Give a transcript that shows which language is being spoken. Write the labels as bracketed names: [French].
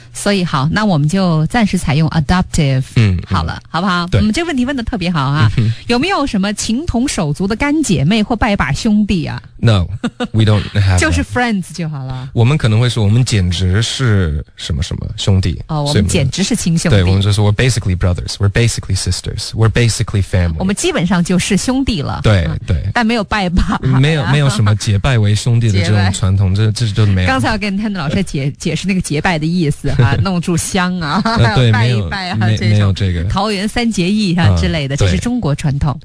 [Chinese] 所以好，那我们就暂时采用 adoptive、嗯、好了、嗯、好不好，我们、这问题问得特别好啊、嗯、有没有什么情同手足的干姐妹或拜把兄弟啊？ [English] No we don't have [Chinese] 就是 friends 就好了，我们可能会说我们简直是什么什么兄弟、哦、我们简直是亲兄弟，对，我们就说 [English] we're basically brothers we're basically sisters we're basically family， [Chinese] 我们基本上就是兄弟了，对对、嗯，但没有拜把、嗯、没有什么结拜为兄弟的这种传统，这就没有。刚才我跟 Tandon 老师解释那个结拜的意思哈、啊，弄住香啊，对，拜一拜啊，没有这个桃园三结义啊之类的，这是中国传统。